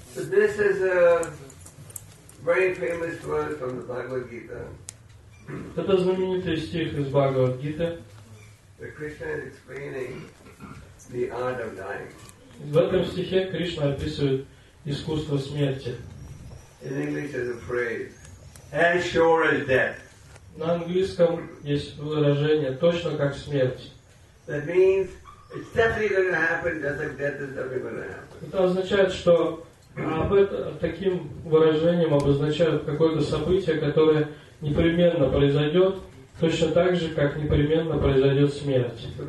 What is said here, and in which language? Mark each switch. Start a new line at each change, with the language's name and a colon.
English: So this is a very famous verse from the Bhagavad Gita.
Russian: Это знаменитый стих из Бхагавад Гиты.
English: The Krishna is explaining the art of dying.
Russian: В этом стихе Кришна описывает искусство смерти.
English: In English is a phrase, as sure as death.
Russian: На английском есть выражение точно как смерть.
English: That means it's definitely going to happen, just like death is definitely going to happen.
Russian: Это означает, что таким выражением обозначают какое-то событие, которое непременно произойдет, точно так же, как непременно произойдет смерть.